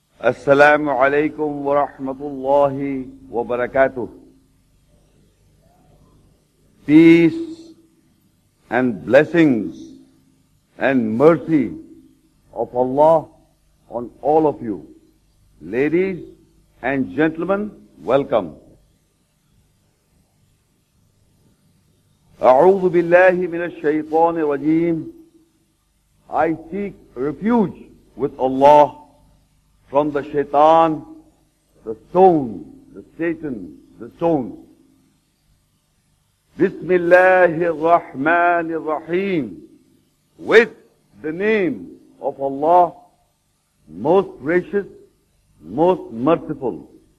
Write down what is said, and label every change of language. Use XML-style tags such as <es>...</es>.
<ar>السلام عليكم ورحمة الله وبركاته.</ar> <en>Peace and blessings and mercy of Allah on all of you. Ladies and gentlemen, welcome.</en> <ar>أعوذ بالله من الشيطان الرجيم.</ar> <en>I seek refuge with Allah from the shaitan, the stone, the Satan, the stone.</en> <ar>بسم الله الرحمن الرحيم.</ar> <en>With the name of Allah, most gracious, most merciful.</en>